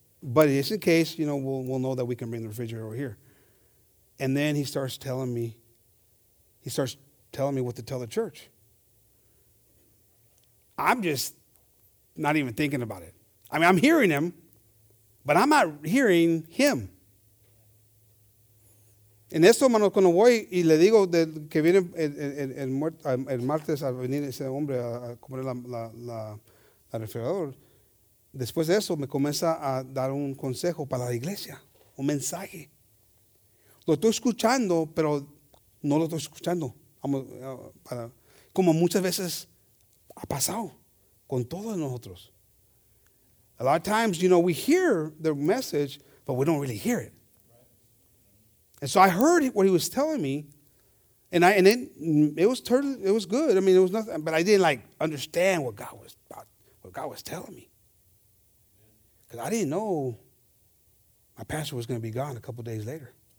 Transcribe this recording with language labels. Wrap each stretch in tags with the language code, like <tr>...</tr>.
<en>But just in case, you know, we'll know that we can bring the refrigerator over here. And then he starts telling me what to tell the church. I'm just not even thinking about it. I mean, I'm hearing him, but I'm not hearing him.</en> <es>En esto, hermano, cuando voy y le digo que viene el martes a venir ese hombre a comer la refrigerador, después de eso me comienza a dar un consejo para la iglesia, un mensaje. Lo estoy escuchando, pero no lo estoy escuchando. Como muchas veces ha pasado con todos nosotros.</es> <en>A lot of times, you know, we hear the message, but we don't really hear it. And so I heard what he was telling me, and it was good. I mean, it was nothing, but I didn't like understand what God was telling me, because I didn't know my pastor was going to be gone a couple days later.</en>